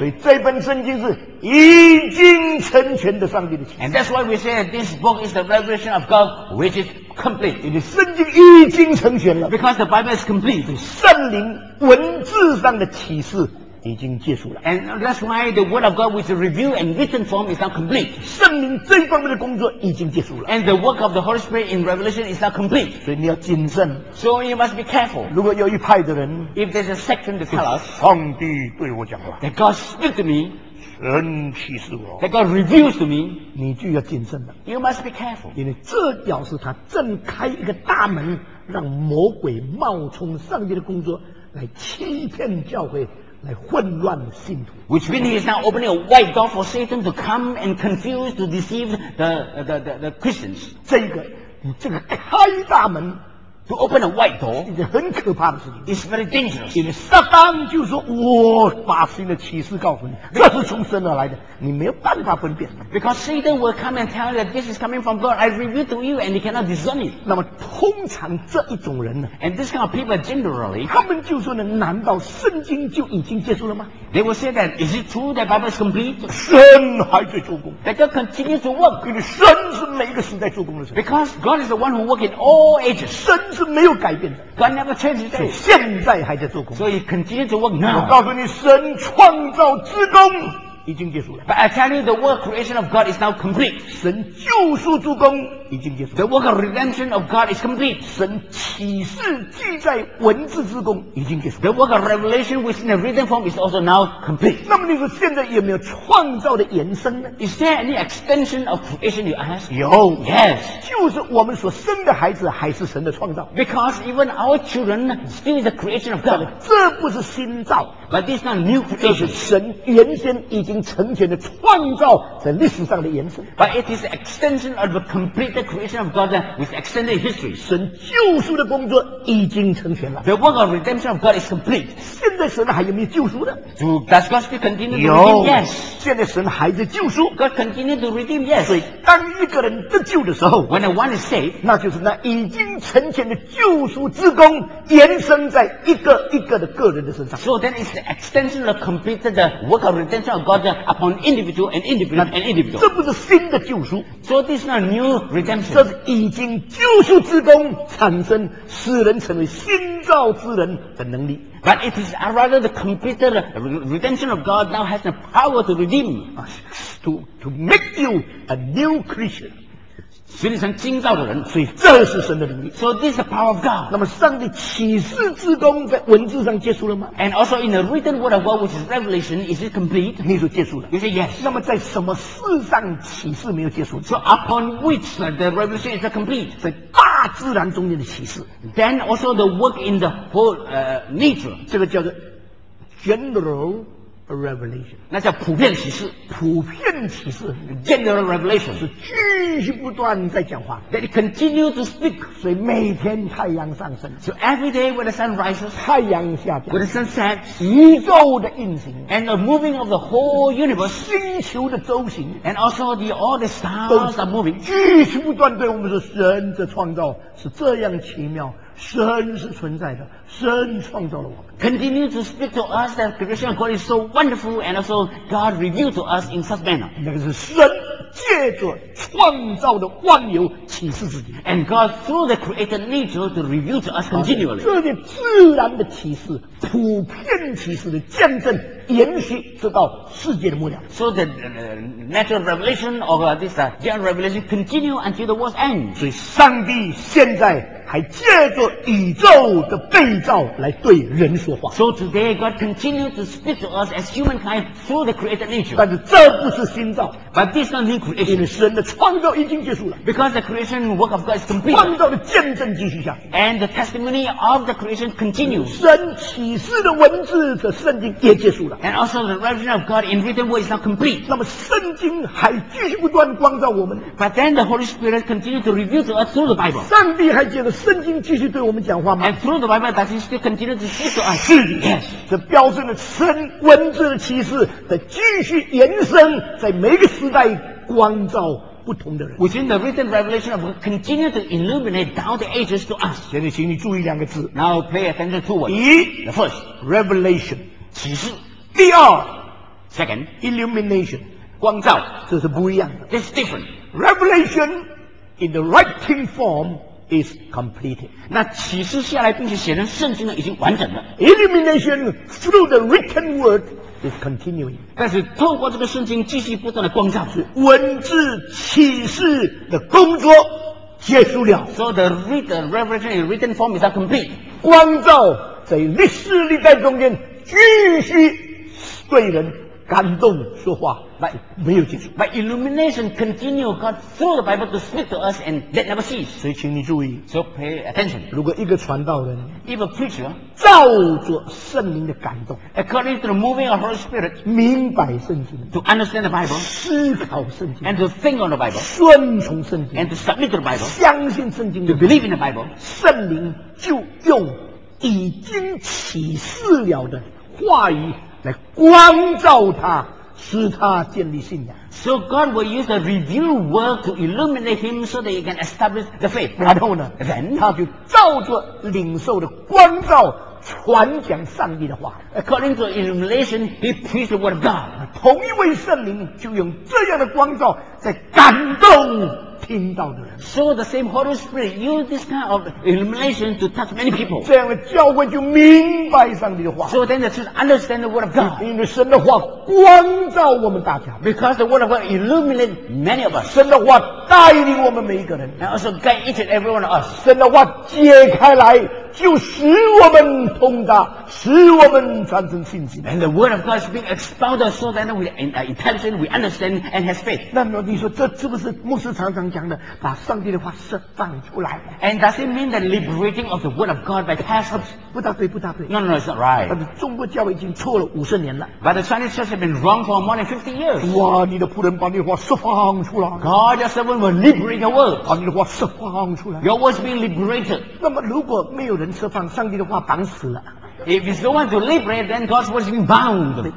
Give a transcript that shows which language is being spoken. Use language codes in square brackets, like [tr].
[zh] 所以这本圣经是已经成全的上帝的启示。 [en] And that's why we say that this book is the revelation of God which is complete. [zh] 因为圣经已经成全了。 [en] Because the Bible is complete. [zh] 圣灵文字上的启示已经结束了。 [en] And that's why the word of God with the review and written form is now complete. [zh] 圣灵这方面的工作已经结束了。 [en] And the work of the Holy Spirit in Revelation is now complete. [zh] 所以你要谨慎。 [en] So you must be careful. [zh] 如果有一派的人 [en] If there's a section to tell us [zh] 上帝对我讲话 [en] That God speak to me [zh] 神启示我 [en] That God reveals to me [zh] 你就要谨慎了。 [en] You must be careful. [zh] 因为这表示他正开一个大门让魔鬼冒充上帝的工作来欺骗教会来混乱信徒。 [en] Which means he is now opening a wide door for Satan to come and confuse, to deceive the Christians. [zh] 这个开大门 [en] to open a wide door [zh] 是一件很可怕的事情。 [en] It's very dangerous. [zh] 因为撒旦就说我把新的启示告诉你，这是从神而来的，你没有办法分辨。 [en] Because Satan will come and tell you that this is coming from God, I reveal to you and you cannot discern it. [zh] 那么通常这一种人呢 [en] And this kind of people generally [zh] 他们就说呢，难道圣经就已经结束了吗？ [en] They will say that, is it true that Bible is complete? [zh] 神还在做工。 [en] That God continues to work. [zh] 因为神是每一个时代做工的神。 [en] Because God is the one who works in all ages. [zh] 神是没有改变的。 [en] God never changes that. [zh] 现在还在做工。 [en] So he continues to work now. [zh] 我告诉你，神创造之功已经结束了。 [en] But I tell you, the work creation of God is now complete. [zh] 神救赎诸工已经结束了。 [en] The work of redemption of God is complete. [zh] 神启示记在文字之功已经结束了。 [en] The work of revelation within the written form is also now complete. [zh] 那么你说现在有没有创造的延伸呢？ [en] Is there any extension of creation you ask? [zh] 有。 [en] Yes. [zh] 就是我们所生的孩子还是神的创造。 [en] Because even our children still is the creation of God. [zh] 这不是新造。 [en] But this is not new creation. [zh] 这是神原先已经成全的创造在历史上的延伸。 [en] But it is the extension of the complete creation of God with extended history. [zh] 神救赎的工作已经成全了。 [en] The work of redemption of God is complete. [zh] 现在神还有没有救赎呢？ [en] So, does God still continue to redeem? Yes. [zh] 现在神还在救赎。 [en] God continue to redeem? Yes. [zh] 所以当一个人得救的时候 [en] When one is saved, [zh] 那就是那已经成全的救赎之功延伸在一个一个的个人的身上。 [en] So then it's the extension of completed the work of redemption of God God upon individual and individual and individual. [zh] 这不是新的救赎。 [en] So this is not new redemption. [zh] 这是已经救赎之功产生使人成为新造之人的能力。 [en] But it is rather the completed redemption of God now has the power to redeem to make you a new creature. [zh] 所以成新造的人，所以这是神的能力。 [en] So this is the power of God。 [zh] 那么上帝启示之功在文字上结束了吗 [en] ？And also in the written word of God, which is revelation, is it complete？ [zh] 你说结束了 [en] ？You say yes。 [zh] 那么在什么事上启示没有结束 [en] ？So upon which the revelation is complete？ [zh] 在大自然中间的启示。 [en] Then also the work in the whole nature， [zh] 这个叫做 general。A revelation，那叫普遍启示。普遍启示 [en] ，general revelation， [zh] 是继续不断在讲话。 [en] That it continues to speak， [zh] 所以每天太阳上升。 [en] So every day when the sun rises， [zh] 太阳下降。 [en] When the sun sets， [zh] 宇宙的运行。 [en] And the moving of the whole universe， [zh] 星球的周行。 [en] And also the all the stars are moving， [zh] 继续不断对我们说，神的创造是这样奇妙。神是存在的，神创造了我们。 [en] Continue to speak to us that creation of God is so wonderful, and also God revealed to us in such manner. [zh] 那个是神借着创造的万有启示自己。 [en] And God through the created nature to reveal to us continually. [zh] 这些自然的启示，普遍启示的见证，延续直到世界的末了。 [en] So the natural revelation of this general revelation continue until the world's end. [zh] 所以上帝现在。还借着宇宙的被造来对人说话。 [en] So today God continues to speak to us as humankind through the created nature. [zh] 但是这不是新造。 [en] But this is not new creation. [zh] 因为神的创造已经结束了。 [en] Because the creation work of God is complete. [zh] 创造的见证继续下去。 [en] And the testimony of the creation continues. [zh] 神启示的文字的圣经也结束了。 [en] And also the revelation of God in written word is now complete. [zh] 那么圣经还继续不断光照我们。 [en] But then the Holy Spirit continues to reveal to us through the Bible. [zh] 上帝还借着圣经继续对我们讲话吗 [en] ？And through the Bible, does he still continue to speak to us? [zh] 是 ， [en] Yes。 [zh] 这标志着神文字的启示的继续延伸，在每个时代光照不同的人。 [en] Within the written revelation of God, continue to illuminate down the ages to us。 [zh] 现在，请你注意两个字。 [en] Now pay attention to words. [zh] 一 [en] ，The first revelation， [zh] 启示。第二 [en] ，Second illumination， [zh] 光照。这是不一样的。 [en] This is different. Revelation in the writing form. Is completed. [zh] 那启示下来并且写成圣经的已经完整了。 [en] Illumination through the written word is continuing. [zh] 但是透过这个圣经继续不断的光照。是文字启示的工作结束了。 [en] So the written revelation in written form is not complete. [zh] 光照在历史历代中间继续对人感动说话。 [en] But [zh] 没有结束。 [en] But illumination continue God through the Bible to speak to us and that never cease. [zh] 所以请你注意。 [en] So pay attention. [zh] 如果一个传道人 [en] ，if a preacher [zh] 照着圣灵的感动 [en] ，according to the moving of Holy Spirit， [zh] 明白圣经 [en] ，to understand the Bible， [zh] 思考圣经 [en] ，and to think on the Bible， [zh] 顺从圣经 [en] ，and to submit to the Bible， [zh] 相信圣经 [en] ，to believe in the Bible， [zh] 圣灵就用已经启示了的话语来光照他。使他建立信仰。 [en] So God will use the revealed word to illuminate him so that he can establish the faith. [zh] 然后呢？人他就照着领受的光照传讲上帝的话。 [en] According to illumination, he preached the word of God. [zh] 同一位圣灵就用这样的光照在感动听到的人。 [en] So the same Holy Spirit used this kind of illumination to touch many people. [zh] 这样的教会就明白上帝的话。 [en] So then the church understand the word of God. [zh] 因为神的话光照我们大家。 [en] Because the word of God illuminate many of us. [zh] 神的话带领我们每一个人。 [en] And also guide each and every one of us. [zh] 神的话解开来就使我们通达，使我们产生信心。 [en] And the word of God is being expounded so that we in intelligence we understand and has faith. [zh] 那么你说这是不是牧师常常讲的，把上帝的话释放出来 [en] ？And does it mean the liberating of the word of God by pastors？ [zh] 不大对，不大对。 [en] No, it's not right. [zh] 但是中国教会已经错了五十年了。 [en] But the Chinese church has been wrong for more than 50 years. [zh] 哇，你的仆人把你的话释放出来。 [en] God, your servant will liberate your word. [zh] 把你的话释放出来。 [en] Your word is being liberated. [zh] 那么如果没有人释放，上帝的话绑死了。 [en] If it's no one to liberate, then God's word is being bound.